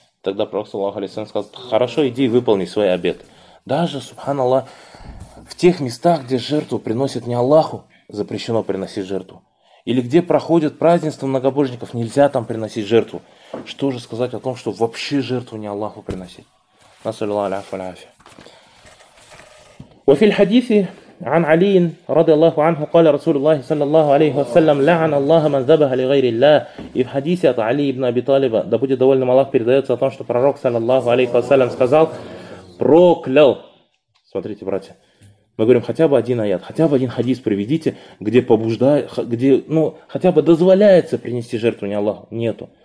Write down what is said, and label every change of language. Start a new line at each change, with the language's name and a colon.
Russian: Тогда пророк, саллаллаху алейхи вассалям, сказал: хорошо, иди выполни свой обет. Даже, субханаллах, в тех местах, где жертву приносят не Аллаху, запрещено приносить жертву. Или где проходят празднества многобожников, нельзя там приносить жертву. Что же сказать о том, что вообще жертву не Аллаху приносить? Насаллаллаху алейхи ва саллям.
Arabic: وفي الحديث عن علي رضي الله عنه قال رسول الله صلى الله عليه وسلم لعن الله من ذبح لغير الله.
Russian: И в хадисе от Али ибн Аби Талиба, да будет довольным Аллах, передается о том, что пророк саллаллаху алейхи ва саллям сказал: проклял. Смотрите, братья, Мы говорим, хотя бы один аят, хотя бы один хадис приведите, где побуждает, где, ну, хотя бы дозволяется принести жертву не Аллаху. Нету.